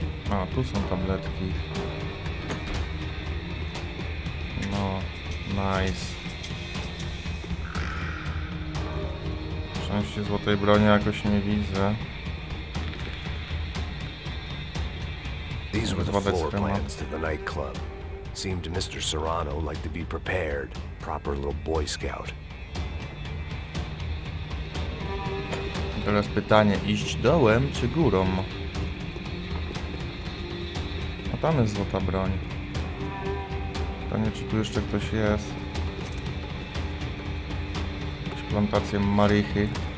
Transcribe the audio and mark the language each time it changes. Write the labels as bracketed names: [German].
[Polish] A, tu są tabletki. No, nice. Szczęście złotej broni jakoś nie widzę. [English] These were the floor plans to the nightclub. Seemed Mr. Serrano like to be prepared. Proper little boy scout. [Polish] Teraz pytanie, iść dołem czy górą? Tam jest złota broń. Pytanie, czy tu jeszcze ktoś jest. plantację marihy.